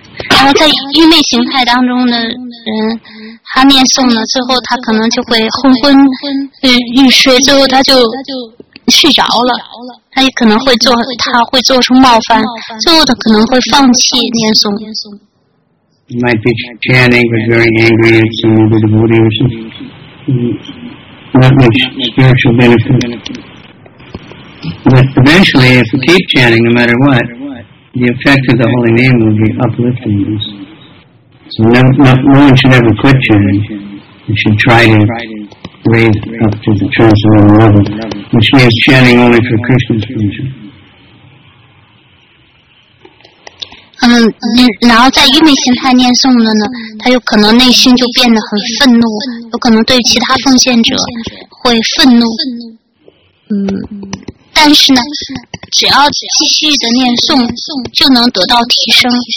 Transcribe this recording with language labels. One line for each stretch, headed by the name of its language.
Chinese: 然后在愚昧形态当中的人，他念诵呢，最后他可能就会昏昏欲睡，最后他就睡着了。他也可能会做，他会做出冒犯，最后他可能会放弃念诵。
English: Might be chanting, but very angry at some other devotee or something. Not much spiritual benefit. But eventually, if you keep chanting, no matter what. The effect of the holy name will be uplifting. So no one should ever quit chanting. You should try to raise up to the transcendental level, which means chanting only for Krishna's pleasure.
Chinese: 然后在愚昧形态念诵的呢，他有可能内心就变得很愤怒，有可能对其他奉献者会愤怒。但是呢，只要继续的念诵，就能得到提升。